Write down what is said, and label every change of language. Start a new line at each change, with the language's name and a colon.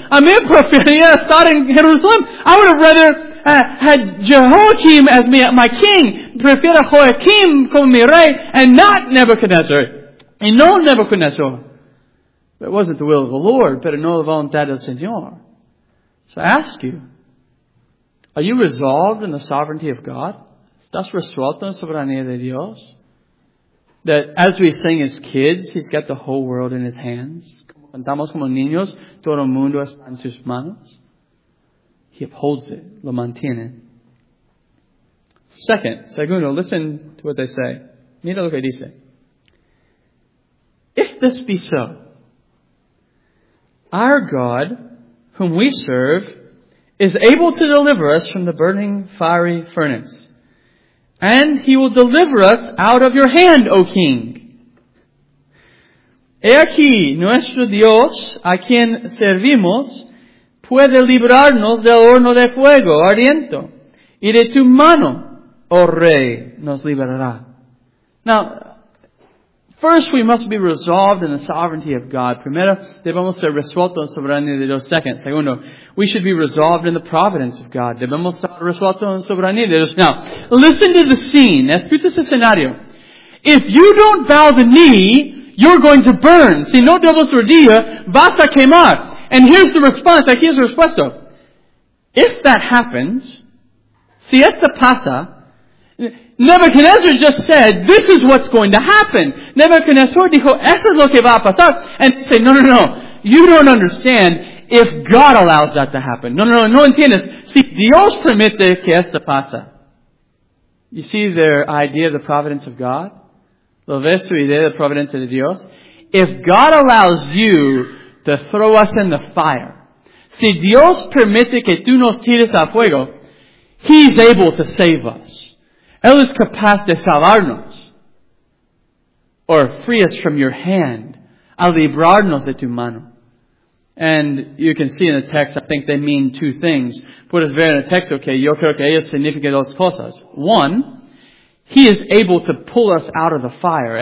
English: I mean,
Spanish: preferiría estar en Jerusalem.
English: I would have rather had Jehoiakim as my king.
Spanish: Prefiero Jehoiakim como mi rey,
English: and not Nebuchadnezzar.
Spanish: Y no Nebuchadnezzar.
English: But it wasn't the will of the Lord,
Spanish: pero no la voluntad del Señor.
English: So I ask you, are you resolved in the sovereignty of God?
Spanish: ¿Estás resuelto en la soberanía de Dios?
English: That as we sing as kids, He's got the whole world in His hands.
Spanish: Como cantamos como niños, todo el mundo está en sus manos.
English: He upholds it,
Spanish: lo mantiene.
English: Segundo, listen to what they say.
Spanish: Mira lo que dice.
English: If this be so, our God, whom we serve, is able to deliver us from the burning fiery furnace. And He will deliver us out of your hand, O King.
Spanish: He aquí, nuestro Dios, a quien servimos, puede librarnos del horno de fuego ardiente. Y de tu mano, O Rey, nos liberará.
English: Now, first we must be resolved in the sovereignty of God.
Spanish: Primero, debemos ser resueltos en la soberanía de Dios. Segundo,
English: we should be resolved in the providence of God.
Spanish: Debemos ser resueltos en la soberanía de Dios.
English: Now, listen to the scene.
Spanish: Escucha ese escenario.
English: If you don't bow the knee, you're going to burn.
Spanish: Si no doblas rodilla, vas a quemar.
English: And here's the response.
Spanish: Aquí es la respuesta.
English: If that happens,
Spanish: si esto pasa,
English: Nebuchadnezzar just said, this is what's going to happen.
Spanish: Nebuchadnezzar dijo, eso es lo que va a pasar.
English: And say, no, you don't understand if God allows that to happen.
Spanish: No entiendes. Si Dios permite que esto pasa.
English: You see their idea of the providence of God?
Spanish: ¿Lo ves su idea de providencia de Dios?
English: If God allows you to throw us in the fire,
Spanish: si Dios permite que tú nos tires al fuego,
English: He's able to save us.
Spanish: Él es capaz de salvarnos.
English: Or free us from your hand.
Spanish: A librarnos de tu mano.
English: And you can see in the text, I think they mean two things.
Spanish: Puedes ver en el texto que yo creo que ellos significan dos cosas.
English: One, He is able to pull us out of the fire.